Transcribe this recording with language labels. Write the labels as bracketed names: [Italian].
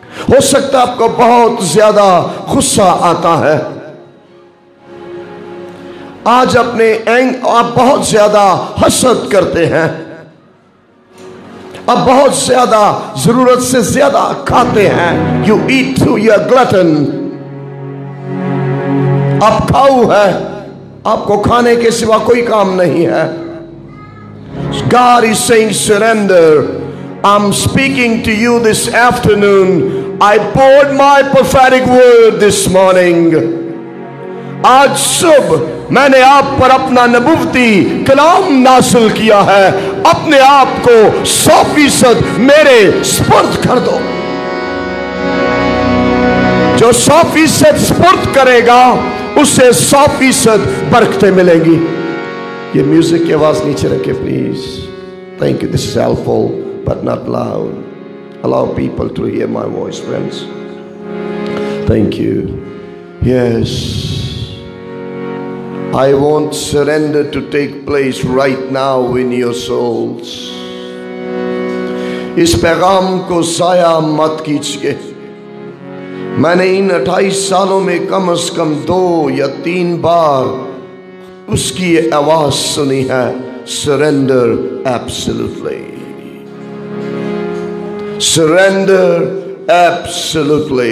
[Hindi] हो सकता आपको बहुत ज्यादा गुस्सा आता है आज, अपने आप बहुत ज्यादा हसद करते हैं, अब बहुत ज्यादा जरूरत से ज्यादा खाते हैं। [English] you eat through your glutton, [Hindi] आप खाऊ है, आपको खाने के सिवा कोई काम नहीं है। [English] God is saying surrender. I'm speaking to you this afternoon. I poured my prophetic word this morning. [Hindi] आज सुबह मैंने आप पर अपना नबुवती कलाम नासिल किया है, अपने आप को 100% मेरे स्पर्द कर दो। जो 100% स्पर्द करेगा उसे 100% बरकतें मिलेंगी। ये म्यूजिक की आवाज नीचे रखे please. [English] Thank you, this is helpful but not loud, allow people to hear my voice friends. Thank you. Yes, I want surrender to take place right now in your souls. [Hindi] इस पैगाम को जाया मत कीजिए. मैंने इन 28 सालों में कम से कम दो या तीन बार उसकी आवाज सुनी है, [English] Surrender absolutely, surrender absolutely.